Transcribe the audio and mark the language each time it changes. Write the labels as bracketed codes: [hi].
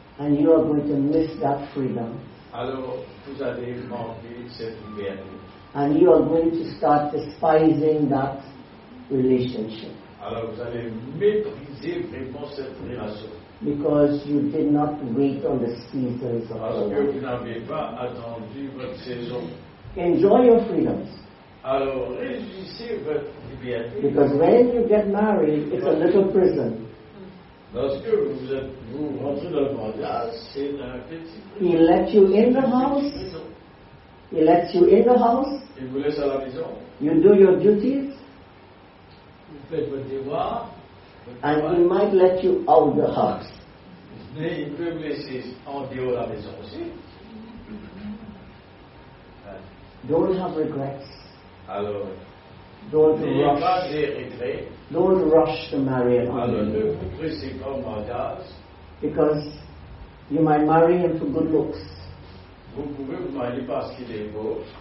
[en] And you are going to miss that freedom. [fr] Alors, vous allez manquer cette liberté. [en] And you are going to start despising that relationship. [fr] Alors, vous allez mépriser vraiment cette relation. [en] Because you did not wait on the seasons of [fr] parce que vous n'avez pas attendu votre saison. [en] Enjoy your freedoms. [fr] Alors, réjouissez votre liberté. [en] Because when you get married, it's a little prison. [fr] Lorsque vous êtes, vous rentrez dans le mariage, c'est un petit. [en] He lets you in the house. He lets you in the house. [fr] Il vous laisse à la maison. [en] You do your duties. [fr] Vous faites votre devoir. [en] And he might let you out the house. [fr] Mais il peut vous laisser en dehors de la maison aussi. [en] Don't have regrets. [fr] Alors. [en] Don't rush. [fr] Pas des regrets. [en] Don't rush to marry a man. [fr] Alors, [en] because you might marry him for good looks. [fr] Vous pouvez vous marier parce qu'il est beau.